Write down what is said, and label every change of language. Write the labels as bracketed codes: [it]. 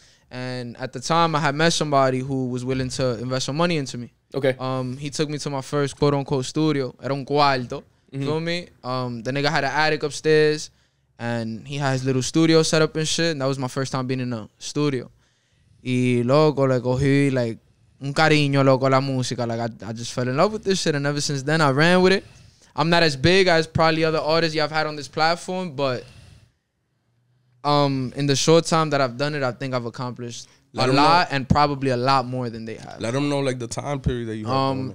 [en] And at the time, I had met somebody who was willing to invest some money into me. Okay. He took me to my first quote-unquote studio. [es] Era un cuarto. [en] Mm-hmm. Feel me? The nigga had an attic upstairs, and he had his little studio set up and shit. And that was my first time being in a studio. [es] Y luego le cogí like un cariño loco la música. [en] Like I just fell in love with this shit, and ever since then I ran with it. I'm not as big as probably other artists you have had on this platform, but in the short time that I've done it, I think I've accomplished and probably a lot more than they have. Let them know like the time period that you have.